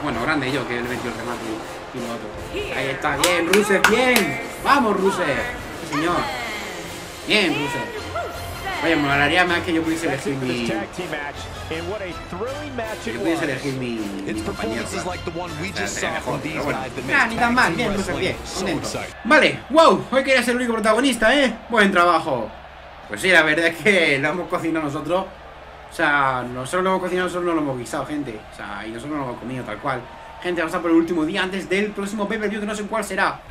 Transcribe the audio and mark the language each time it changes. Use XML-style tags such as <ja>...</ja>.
<es>Bueno, grande yo, que le metió el remate. Y lo otro. Ahí está. Bien, Rusev. Bien. Vamos, Rusev. Sí, señor. Bien, Rusev. Oye, me molaría más que yo pudiese elegir mi...</es> <en>And what a thrilling match it was. Its performance is like the one we just saw from these guys.</en> <es>Ni tan mal, bien, bien, bien. Vale, wow, hoy quería ser el único protagonista, ¿eh? Buen trabajo. Pues sí, la verdad es que lo hemos cocinado nosotros. O sea, nosotros lo hemos cocinado, nosotros no lo hemos guisado, gente. O sea, y nosotros no lo hemos comido tal cual. Gente, vamos a por el último día antes del próximo pay-per-view, que no sé cuál será.</es>